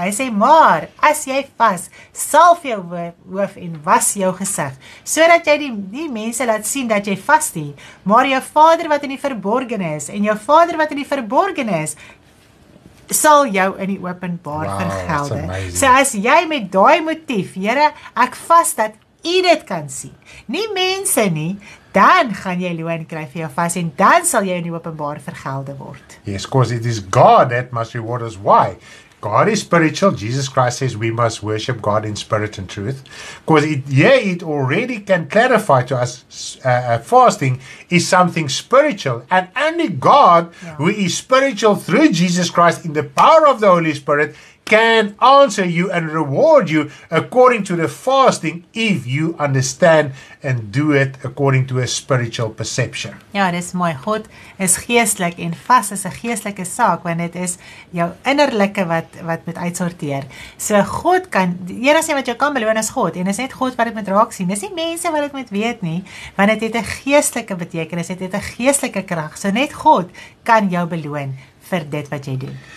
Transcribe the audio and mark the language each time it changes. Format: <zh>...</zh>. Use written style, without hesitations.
<af>Hy sê, maar as jy vas, salf jou hoof en was jou gesig, sodat jy die mense laat sien dat jy vas nie, maar jou Vader wat in die verborgene is, en jou Vader wat in die verborgene is, sal jou in die openbaar vergelde. So as jy met daai motief, Here, ek vas dat u dit kan sien, nie mense nie, dan gaan jy loon kry vir jou vas, en dan sal jy in die openbaar vergelde word.</af> <en>Yes, because it is God that must reward us. Why? God is spiritual. Jesus Christ says we must worship God in spirit and truth. Because it already can clarify to us, fasting is something spiritual. And only God, who is spiritual through Jesus Christ in the power of the Holy Spirit, can answer you and reward you according to the fasting if you understand and do it according to a spiritual perception.</en> <af>Ja, dis mooi. God is geestelik en vas is 'n geestelike saak want dit is jou innerlike wat moet uitsorteer. So God kan die enigste een wat jou kan beloon is God en is net God wat dit moet raak sien. Dis nie mense wat dit moet weet nie want dit het 'n geestelike betekenis, dit het 'n geestelike krag. So net God kan jou beloon vir dit wat jy doen.</af>